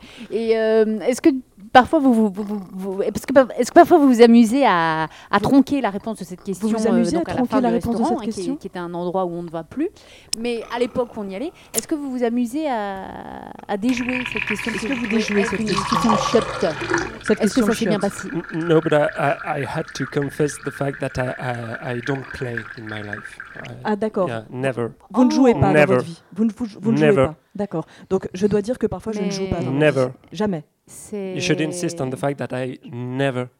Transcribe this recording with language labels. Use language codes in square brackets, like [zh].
[fr] Et est-ce que parfois vous vous amusez à tronquer la réponse de cette question? Vous vous amusez à tronquer la réponse de cette question qui était un endroit où on ne va plus, mais à l'époque où on y allait, est-ce que vous vous amusez à déjouer cette question? Est-ce que vous déjouez cette question? Est-ce que ça s'est bien passé? [en] No, but I had to confess the fact that I don't play in my life. [fr] Ah d'accord. [en] Yeah, never. [fr] Vous ne jouez pas dans votre vie. Vous ne jouez pas. D'accord. Donc je dois dire que parfois je ne joue pas dans ma vie. [en] Never. [fr] Jamais. C'est... [en] You should insist on the fact that I never...